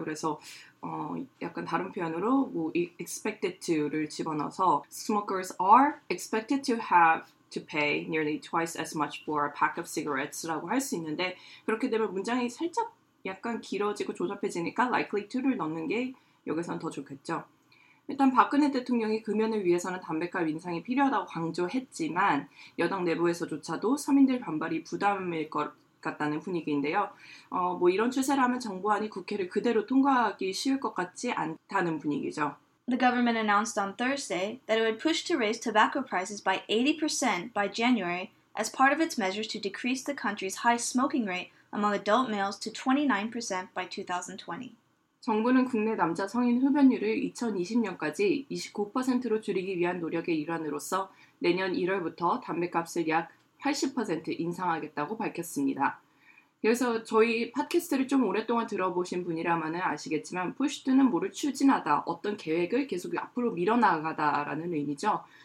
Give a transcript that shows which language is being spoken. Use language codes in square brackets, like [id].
[ko] 그래서 약간 다른 표현으로 뭐 expected to를 집어넣어서 [en] smokers are expected to have to pay nearly twice as much for a pack of cigarettes [ko] 라고 할 수 있는데 그렇게 되면 문장이 살짝 약간 길어지고 조잡해지니까 likely to를 넣는 게 여기서는 더 좋겠죠. 일단 박근혜 대통령이 금연을 위해서는 담뱃값 인상이 필요하다고 강조했지만 여당 내부에서조차도 서민들 반발이 부담일 것 같다는 분위기인데요. 뭐 이런 추세라면 정부안이 국회를 그대로 통과하기 쉬울 것 같지 않다는 분위기죠. [en] The government announced on Thursday that it would push to raise tobacco prices by 80% by January as part of its measures to decrease the country's high smoking rate among adult males to 29% by 2020. [ko] 정부는 국내 남자 성인 흡연율을 2020년까지 29%로 줄이기 위한 노력의 일환으로서 내년 1월부터 담뱃값을 약 80% 인상하겠다고 밝혔습니다. 그래서 저희 팟캐스트를 좀 오랫동안 들어보신 분이라면은 아시겠지만 push는 뭐를 추진하다, 어떤 계획을 계속 앞으로 밀어나가다라는 의미죠.